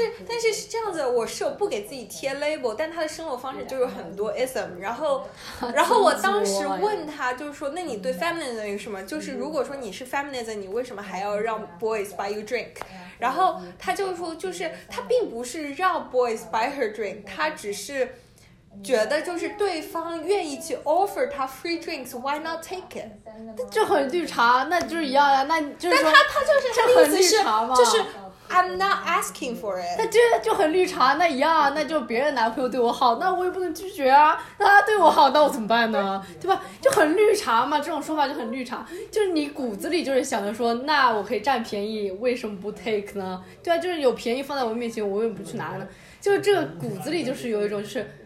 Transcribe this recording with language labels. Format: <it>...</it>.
<zh>但是是这样子，我是不给自己贴 label， 但他的生活方式就有很多 ism， 然后我当时问他，就是说，那你对 feminism 有什么？就是如果说你是 feminism， 你为什么还要让</zh> <en>boys buy you drink？</en> <zh>然后他就说，就是他并不是让</zh> <en>boys buy her drink，</en> <zh>他只是。觉得就是对方愿意去 offer 他 free drinks，</zh> <en>why not take it？</en> <zh>这很绿茶，那就是一样呀。那就是说，但他就是这很绿茶吗？</zh> <en>就是 I'm not asking for it。</en> <zh>那就很绿茶，那一样，那就别人男朋友对我好，那我也不能拒绝啊。那他对我好，那我怎么办呢？对吧？就很绿茶嘛，这种说法就很绿茶。就是你骨子里就是想着说，那我可以占便宜，为什么不 take 呢？对啊，就是有便宜放在我面前，我为什么不去拿呢？就这个骨子里就是有一种就是。</zh>